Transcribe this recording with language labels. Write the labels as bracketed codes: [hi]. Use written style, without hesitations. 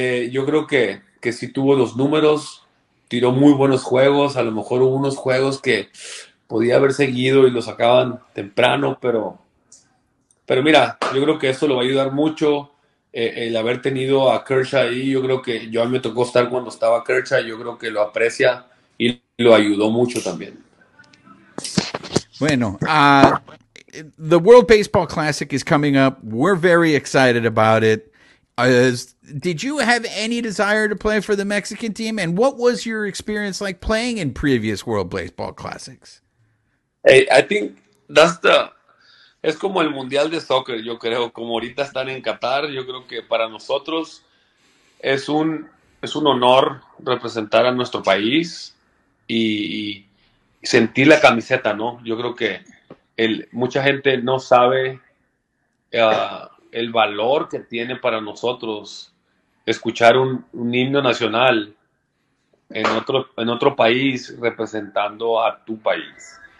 [es] Yo creo que sí tuvo los números, tiró muy buenos juegos, a lo mejor hubo unos juegos que podía haber seguido y lo sacaban temprano, pero mira, yo creo que esto lo va a ayudar mucho, el haber tenido a Kershaw ahí. Yo creo que yo a mí me tocó estar cuando estaba Kershaw, yo creo que lo aprecia y lo ayudó mucho también. [en] Bueno, the World Baseball Classic is coming up. We're very excited about it. Did you have any desire to play for the Mexican team? And what was your experience like playing in previous World Baseball Classics? Hey, I think that's the. [es] Es como el Mundial de Soccer, yo creo. Como ahorita están en Qatar, yo creo que para nosotros es un honor representar a nuestro país y sentir la camiseta, ¿no? Yo creo que mucha gente no sabe el valor que tiene para nosotros escuchar un himno nacional en otro país representando a tu país.